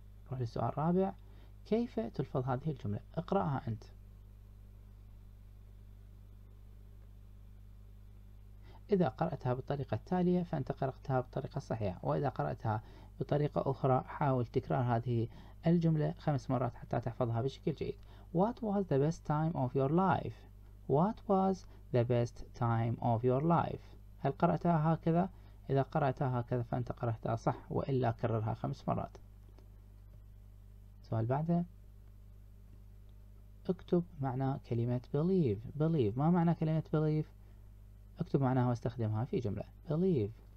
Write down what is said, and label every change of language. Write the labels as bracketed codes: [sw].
[ar] روح للسؤال الرابع، كيف تلفظ هذه الجملة؟ اقرأها أنت. إذا قرأتها بالطريقة التالية فأنت قرأتها بالطريقة الصحيحة، وإذا قرأتها بطريقة أخرى حاول تكرار هذه الجملة 5 مرات حتى تحفظها بشكل جيد. [en] What was the best time of your life? What was the best time of your life. [ar] هل قرأتها هكذا؟ إذا قرأتها هكذا فأنت قرأتها صح، وإلا كررها 5 مرات. سؤال بعده، اكتب معنى كلمة believe. believe ما معنى كلمة believe؟ اكتب معناها واستخدمها في جملة. believe